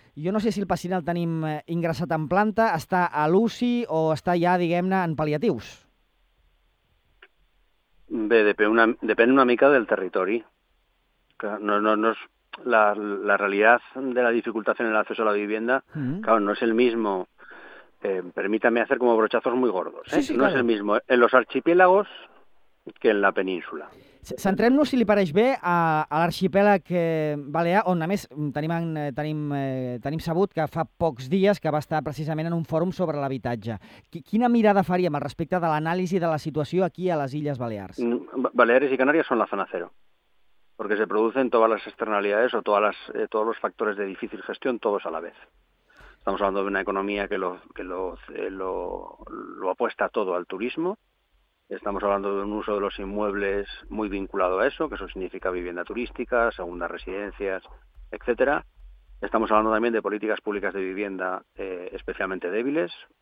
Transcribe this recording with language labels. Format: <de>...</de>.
<ca>Jo no sé si el pacient el tenim ingressat en planta, està a l'UCI o està ja, diguem-ne, en pal·liatius. Bé, depèn una mica del territori. No és la realitat de la dificultat en l'accés a la vivienda,</ca> <es>claro, no és el mismo. Permítame hacer como brochazos muy gordos. Sí, sí, no claro. És el mismo en los archipiélagos que en la península.</es> <ca>Centrem-nos, si li pareix bé, a l'arxipèlag balear, on, a més, tenim sabut que fa pocs dies que va estar precisament en un fòrum sobre l'habitatge. Quina mirada faríem al respecte de l'anàlisi de la situació aquí a les Illes Balears? Baleares i Canàries són la zona cero, perquè se producen totes les externalitats o tots els factors de difícil gestió, tots a la vegada.</ca> <es>Estamos hablando de una economía que lo apuesta todo al turismo. Estamos hablando de un uso de los inmuebles muy vinculado a eso, que eso significa vivienda turística, segundas residencias, etcétera. Estamos hablando también de políticas públicas de vivienda especialmente débiles.</es>